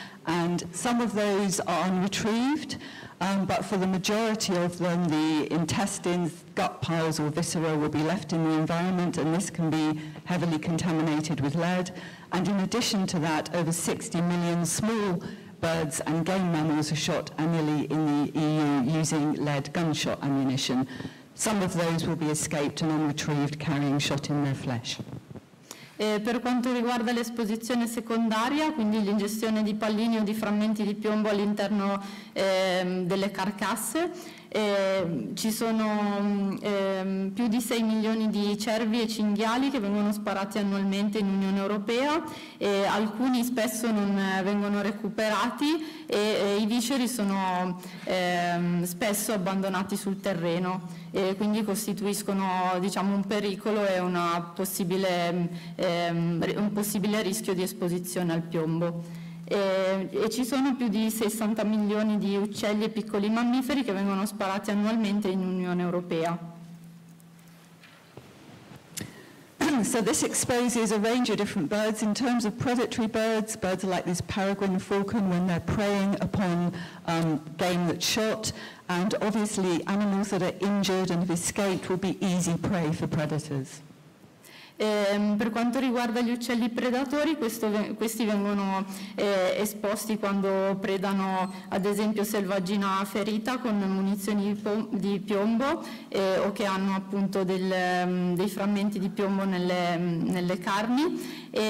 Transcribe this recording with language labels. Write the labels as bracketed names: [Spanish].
[English] And some of those are unretrieved, but for the majority of them, the intestines, gut piles or viscera will be left in the environment, and this can be heavily contaminated with lead. And in addition to that, over 60 million small birds and game mammals are shot annually in the EU using lead gunshot ammunition. Some of those will be escaped and unretrieved carrying shot in their flesh. [Italian] Per quanto riguarda l'esposizione secondaria, quindi l'ingestione di pallini o di frammenti di piombo all'interno delle carcasse, ci sono più di 6 milioni di cervi e cinghiali che vengono sparati annualmente in Unione Europea, e alcuni spesso non vengono recuperati e i visceri sono spesso abbandonati sul terreno e quindi costituiscono diciamo un pericolo e un possibile rischio di esposizione al piombo. E ci sono più di 60 milioni di uccelli e piccoli mammiferi che vengono sparati annualmente in Unione Europea. [English] So this exposes a range of different birds. In terms of predatory birds, birds like this peregrine falcon when they're preying upon game that's shot, and obviously animals that are injured and have escaped will be easy prey for predators. [Italian] Per quanto riguarda gli uccelli predatori, questi vengono esposti quando predano ad esempio selvaggina ferita con munizioni di piombo o che hanno appunto dei frammenti di piombo nelle carni.